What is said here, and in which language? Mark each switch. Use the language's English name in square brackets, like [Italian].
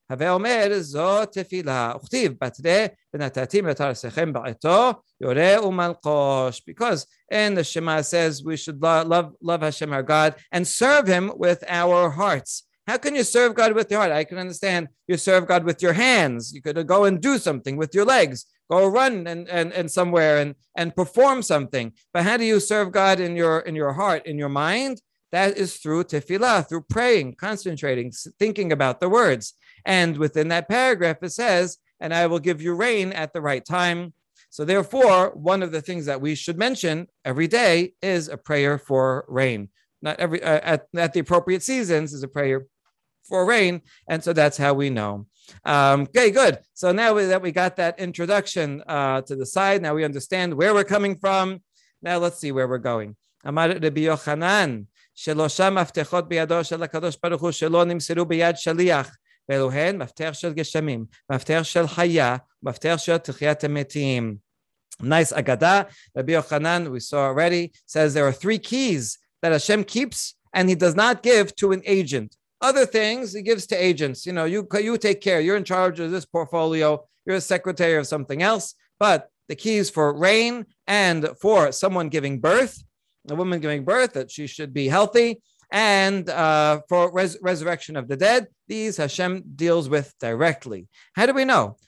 [Hebrew] הווה אומר, זו תפילה, וכתיב, בתרי ונתתים את הרסיכם בעתו, יורה ומלכוש, [English] because in the Shema says we should love Hashem our God and serve him with our hearts. How can you serve God with your heart? I can understand you serve God with your hands. You could go and do something with your legs, go run and somewhere and perform something. But how do you serve God in your heart, in your mind? That is through tefillah, through praying, concentrating, thinking about the words. And within that paragraph, it says, and I will give you rain at the right time. So therefore, one of the things that we should mention every day is a prayer for rain. Not every at the appropriate seasons is a prayer for rain. And so that's how we know. Okay, good. So now that we got that introduction to the side, now we understand where we're coming from. Now let's see where we're going. [Hebrew] Amar Rabbi Yochanan, שלושה מפתחות בידו של הקדוש ברוך הוא שלא נמסרו ביד שליח, ואלו הן מפתח של גשמים, מפתח של חיה, מפתח של תחיית המתים. [English] Nice agada, Rabbi Yochanan, we saw already, says there are three keys that Hashem keeps and he does not give to an agent. Other things he gives to agents. You know, you take care. You're in charge of this portfolio. You're a secretary of something else. But the keys for rain and for someone giving birth, a woman giving birth, that she should be healthy, and for resurrection of the dead, these Hashem deals with directly. How do we know?